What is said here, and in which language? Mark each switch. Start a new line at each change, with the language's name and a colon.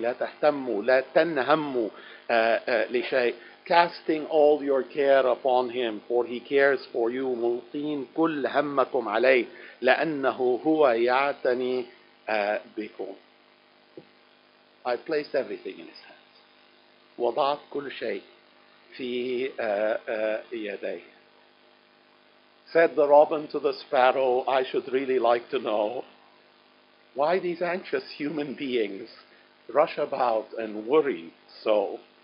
Arabic: لا تهتموا لا تنهموا لشيء.
English: Casting all your care upon him, for he cares for you.
Arabic: ملقين كل همكم عليه لأنه هو يعتني بكم.
English: I placed everything in his hands.
Arabic: وضعت كل شيء في يديه.
English: Said the robin to the sparrow, I should really like to know why these anxious human beings rush about and worry so.